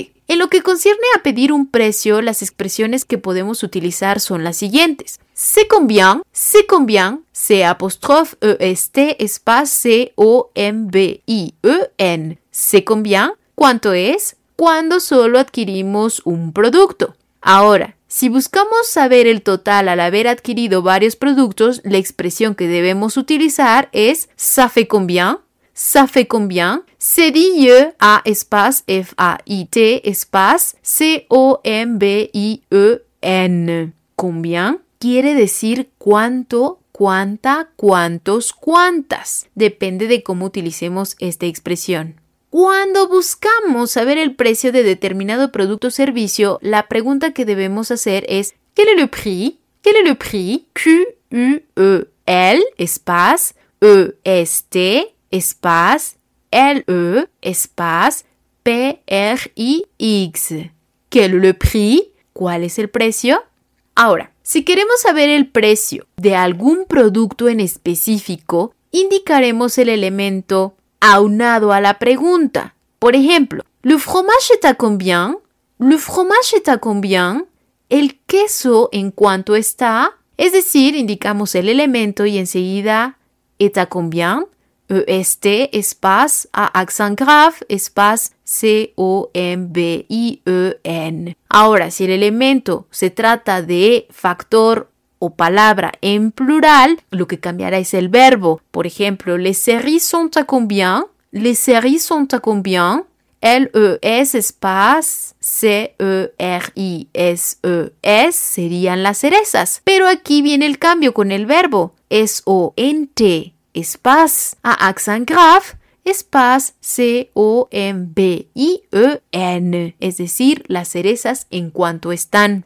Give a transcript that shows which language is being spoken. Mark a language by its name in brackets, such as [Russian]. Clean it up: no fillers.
[Spanish] En lo que concierne a pedir un precio, las expresiones que podemos utilizar son las siguientes. [French] C'est combien, C'est espace C-O-M-B-I-E-N. C'est combien, [Spanish] ¿cuánto es? Cuando solo adquirimos un producto. Ahora, si buscamos saber el total al haber adquirido varios productos, la expresión que debemos utilizar es [French] ça fait combien. Ça fait combien? C'est dit je a espace f a i t espace c o m b i e n. [Spanish] Combien quiere decir cuánto, cuánta, cuántos, cuántas. Depende de cómo utilicemos esta expresión. Cuando buscamos saber el precio de determinado producto o servicio, la pregunta que debemos hacer es [French] quel est le prix? Quel est le prix? Q u e l espace e s t espace L-E espace P-R-I-X. ¿Quel est le prix? [Spanish] ¿Cuál es el precio? Ahora, si queremos saber el precio de algún producto en específico, indicaremos el elemento aunado a la pregunta. Por ejemplo, [French] ¿le fromage est à combien? ¿Le fromage est à combien? [Spanish] ¿El queso en cuánto está? Es decir, indicamos el elemento y enseguida [French] ¿est à combien? EST espace A accent grave espace COMBIEN. [Spanish] Ahora, si el elemento se trata de factor o palabra en plural, lo que cambiará es el verbo. Por ejemplo, [French] les séries sont à combien? Les séries sont à combien? LES espace CERISES [Spanish] serían las cerezas. Pero aquí viene el cambio con el verbo. SONT. [French] Espace à accent grave, espace C-O-M-B-I-E-N, [Spanish] es decir, las cerezas en cuanto están.